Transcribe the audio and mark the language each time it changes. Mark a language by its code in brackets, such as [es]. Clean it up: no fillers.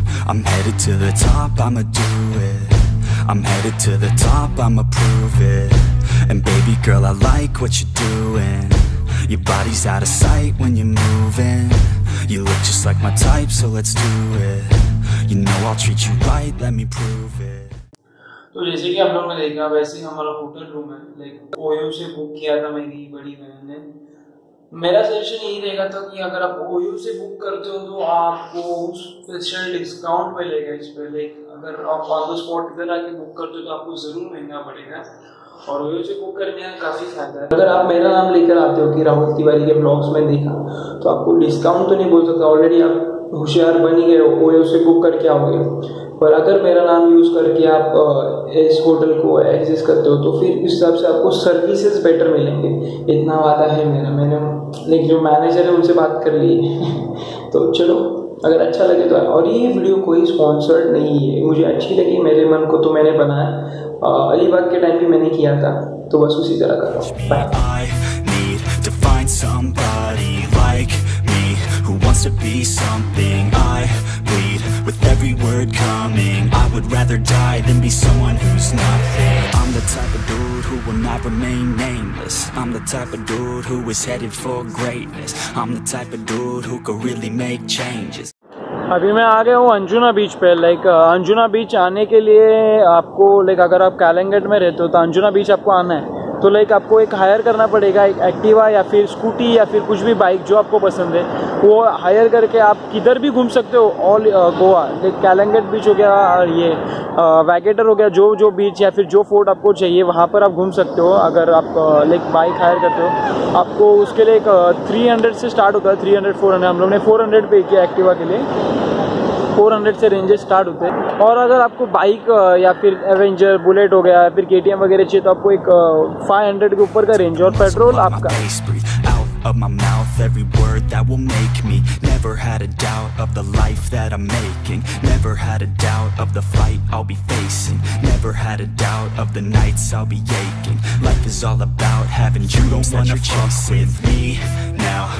[en] I'm headed to the top, I'ma do it. I'm headed to the top, I'ma prove it. And baby girl, I like what you're doing. Your body's out of sight when you're moving. You look just like my type, so let's do it. You know I'll treat you right, let me prove it. [hi] तो जैसे कि आप लोगों ने देखा, वैसे ही हमारा hotel room है, लाइक ओयो से बुक किया था मेरी बड़ी बहन ने। मेरा सजेशन यही रहेगा था कि अगर आप ओयो से बुक करते हो तो आपको स्पेशल डिस्काउंट मिलेगा इस पर। लाइक अगर आप [en] on the spot [hi] इधर आके बुक करते हो तो आपको जरूर महंगा पड़ेगा, और ओयो से बुक करने का काफी फायदा है। अगर आप मेरा नाम लेकर आते हो कि राहुल तिवारी के ब्लॉग्स में देखा, तो आपको डिस्काउंट तो नहीं बोल सकता, ऑलरेडी आप होशियार बन ही गए हो, ओयो से बुक करके आओगे। पर अगर मेरा नाम यूज़ करके आप इस होटल को एक्सेस करते हो तो फिर उस हिसाब से आपको सर्विसेज बेटर मिलेंगे, इतना वादा है मेरा। मैंने लाइक जो मैनेजर है उनसे बात कर ली तो चलो अगर अच्छा लगे तो। और ये वीडियो कोई स्पॉन्सर्ड नहीं है, मुझे अच्छी लगी, मेरे मन को तो मैंने बनाया, अलीबाग के टाइम भी मैंने किया था, तो बस उसी तरह कर रहा [en] with every word coming I would rather die than be someone who's nothing I'm the type of dude who will not remain nameless I'm the type of dude who is headed for greatness I'm the type of dude who could really make changes [hi] अभी मैं आ गया हूँ अंजुना बीच पे। Like Anjuna बीच आने के लिए आपको like अगर आप कैलंगट में रहते हो तो अंजुना बीच आपको आना है तो लाइक आपको एक हायर करना पड़ेगा, एक एक्टिवा या फिर स्कूटी या फिर कुछ भी बाइक जो आपको पसंद है वो हायर करके आप किधर भी घूम सकते हो ऑल गोवा। लाइक कैलंगट बीच हो गया और ये वैगेटर हो गया, जो जो बीच या फिर जो फोर्ट आपको चाहिए वहाँ पर आप घूम सकते हो अगर आप लाइक बाइक हायर करते हो। आपको उसके लिए एक 300 से स्टार्ट होता है, 300-400, हम लोग ने 400 पे किया एक्टिवा के लिए, 400 से रेंजेस स्टार्ट होते हैं। और अगर आपको बाइक या फिर एवेंजर बुलेट हो गया या फिर KTM वगैरह चाहिए तो आपको एक 500 के ऊपर का रेंज और पेट्रोल आपका। [en] Of my mouth, every word that will make me. Never had a doubt of the life that I'm making. Never had a doubt of the fight I'll be facing. Never had a doubt of the nights I'll be aching. Life is all about having dreams that you're chasing. You don't wanna fuck with me now.